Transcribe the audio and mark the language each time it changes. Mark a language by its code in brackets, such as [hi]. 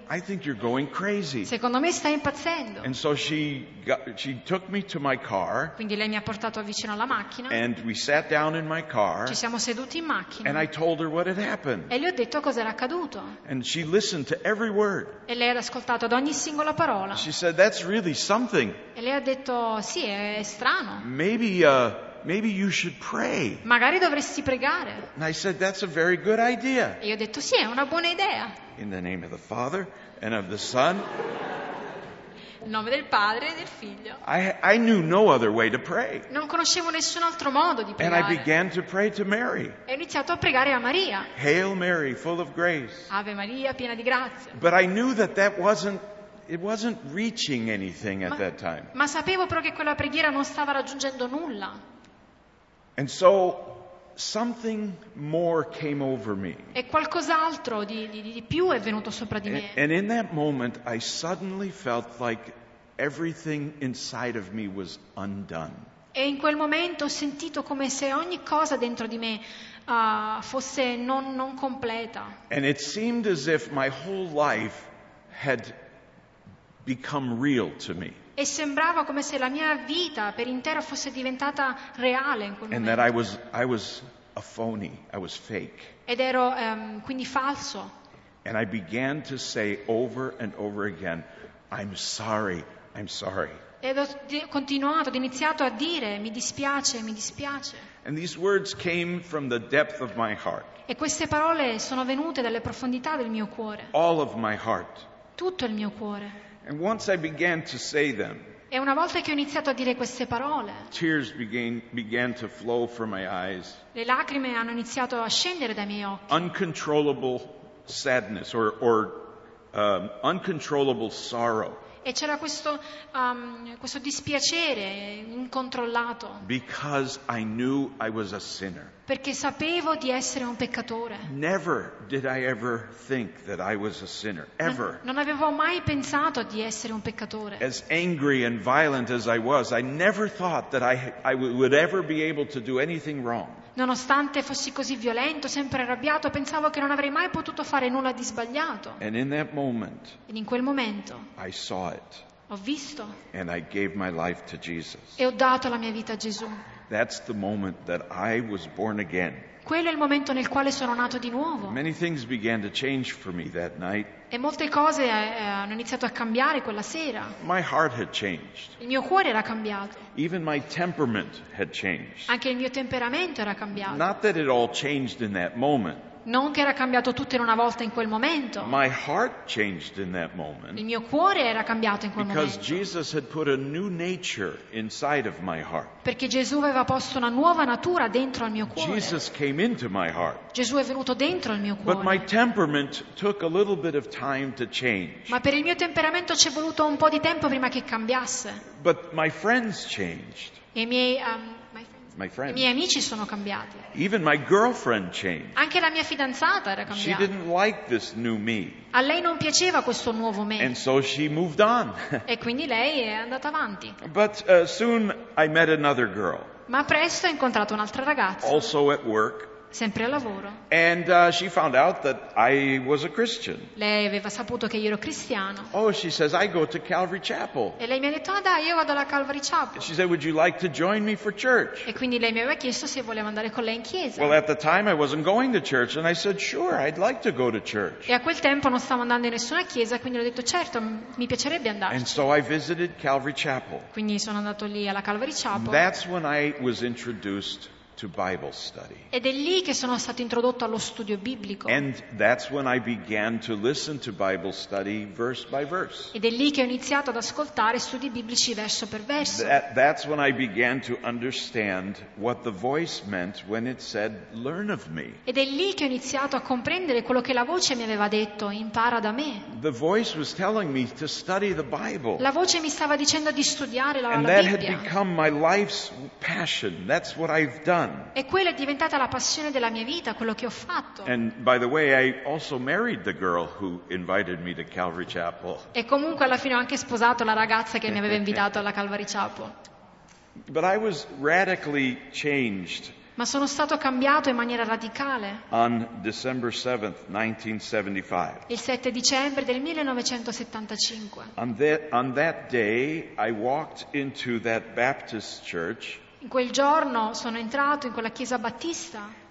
[en] I think you're going crazy. [it] Secondo me stai impazzendo. [en] And so she took me to my car. [it] Quindi lei mi ha portato vicino alla macchina. [en] And we sat down in my car. [it] Ci siamo seduti in macchina. [en] And I told her what had happened. [it] E le ho detto cosa era accaduto. [en] And she listened to every word. [it] E lei ha ascoltato ad ogni singola parola. [en] She said, "That's really something." [it] E lei ha detto, "Sì, è strano." [en] Maybe you should pray. [it] Magari dovresti pregare. [en] And I said, "That's a very good idea." [it] E io ho detto, "Sì, è una buona idea." [en] In the name of the Father and of the Son. [it] Il nome del Padre e del Figlio. [en] I knew no other way to pray. [it] Non conoscevo nessun altro modo di pregare. [en] And I began to pray to Mary. [it] E ho iniziato a pregare a Maria. [en] Hail Mary, full of grace. [it] Ave Maria, piena di grazia. [en] But I knew that it wasn't reaching anything at that time. [it] Ma sapevo però che quella preghiera non stava raggiungendo nulla. [en] And so something more came over me. [it] E qualcos'altro di più è venuto sopra di me. [en] And in that moment I suddenly felt like everything inside of me was undone. [it] E in quel momento ho sentito come se ogni cosa dentro di me fosse non completa. [en] And it seemed as if my whole life had become real to me. [it] E sembrava come se la mia vita per intero fosse diventata reale in quel momento. [en] And that I was a phony, I was fake. [it] Ed ero quindi falso. [en] And I began to say over and over again, "I'm sorry, I'm sorry." [it] Ed ho continuato, ho iniziato a dire, "Mi dispiace, mi dispiace." [en] And these words came from the depth of my heart. [it] E queste parole sono venute dalle profondità del mio cuore. [en] All of my heart. [it] Tutto il mio cuore. [en] And once I began to say them. [it] E una volta che ho iniziato a dire queste parole, [en] tears began to flow from my eyes. [it] Le lacrime hanno iniziato a scendere dai miei occhi. [en] Uncontrollable sadness or uncontrollable sorrow. [it] E c'era questo questo dispiacere incontrollato. [en] Because I knew I was a sinner. [it] Perché sapevo di essere un peccatore. [en] Never did I ever think that I was a sinner, ever. [it] Non avevo mai pensato di essere un peccatore. [en] As angry and violent as I was, I never thought that I would ever be able to do anything wrong. [it] Nonostante fossi così violento, sempre arrabbiato, pensavo che non avrei mai potuto fare nulla di sbagliato. [en] And in that moment, [it] in quel momento, [en] I saw it. [it] Ho visto. [en] And I gave my life to Jesus. [it] E ho dato la mia vita a Gesù. [en] That's the moment that I was born again. [it] Quello è il momento nel quale sono nato di nuovo. [en] Many things began to change for me that night. [it] E molte cose hanno iniziato a cambiare quella sera. [en] My heart had changed. [it] Il mio cuore era cambiato. [en] Even my temperament had changed. [it] Anche il mio temperamento era cambiato. [en] Not that it all changed in that moment. [it] Non che era cambiato tutto in una volta in quel momento. [en] My heart changed in that moment. [it] Il mio cuore era cambiato in quel momento. [en] Because Jesus had put a new nature inside of my heart. [it] Perché Gesù aveva posto una nuova natura dentro al mio cuore. [en] Jesus came into my heart. [it] Gesù è venuto dentro al mio cuore. [en] But my temperament took a little bit of time to change. [it] Ma per il mio temperamento ci è voluto un po' di tempo prima che cambiasse. [en] But my friends changed. [it] E I miei amici sono cambiati. [en] Even my girlfriend changed. [it] Anche la mia fidanzata era cambiata. [en] She didn't like this new me. [it] A lei non piaceva questo nuovo me. [en] And so she moved on. [it] E quindi lei è andata avanti. [en] But soon I met another girl. [it] Ma presto ho incontrato un'altra ragazza. [en] Also at work. [it] Sempre al lavoro. [en] And she found out that I was a Christian. [it] Lei aveva saputo che io ero cristiano. [en] Oh, she says, I go to Calvary Chapel. [it] E lei mi ha detto, ah, dai, io vado alla Calvary Chapel. [en] She said, would you like to join me for church? [it] E quindi lei mi aveva chiesto se volevo andare con lei in chiesa. [en] Well, at the time I wasn't going to church, and I said, sure, I'd like to go to church. [it] E a quel tempo non stavo andando in nessuna chiesa, quindi ho detto, certo, mi piacerebbe andare. [en] And so I visited Calvary Chapel. [it] Quindi sono andato lì alla Calvary Chapel. [en] That's when I was introduced to Bible study. [it] Ed è lì che sono stato introdotto allo studio biblico. [en] And that's when I began to listen to Bible study verse by verse. [it] Ed è lì che ho iniziato ad ascoltare studi biblici verso per verso. [en] That's when I began to understand what the voice meant when it said, "Learn of me." [it] Ed è lì che ho iniziato a comprendere quello che la voce mi aveva detto, impara da me. [en] The voice was telling me to study the Bible. [it] La voce mi stava dicendo di studiare la [en] Bibbia. And that had become my life's passion. That's what I've done. [it] E quella è diventata la passione della mia vita, quello che ho fatto. [en] And by the way, I also married the girl who invited me to Calvary Chapel. [it] E comunque alla fine ho anche sposato la ragazza che mi aveva invitato alla Calvary Chapel. [en] But I was radically changed. [it] Ma sono stato cambiato in maniera radicale. [en] On December 7th, 1975. [it] Il 7 dicembre del 1975. [en] On that day I walked into that Baptist church. [it] In quel giorno sono entrato in quella chiesa battista.